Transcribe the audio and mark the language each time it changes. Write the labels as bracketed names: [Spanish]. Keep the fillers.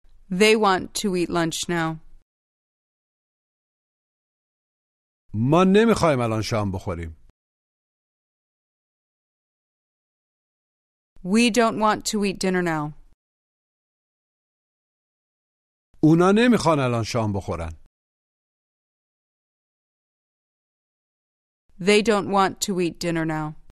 [English] They want to eat lunch now. [Persian] ما نمیخوایم الان شام بخوریم. [English] We don't want to eat dinner now. [Persian] اونا نمیخوان الان شام بخورن. [English] They don't want to eat dinner now.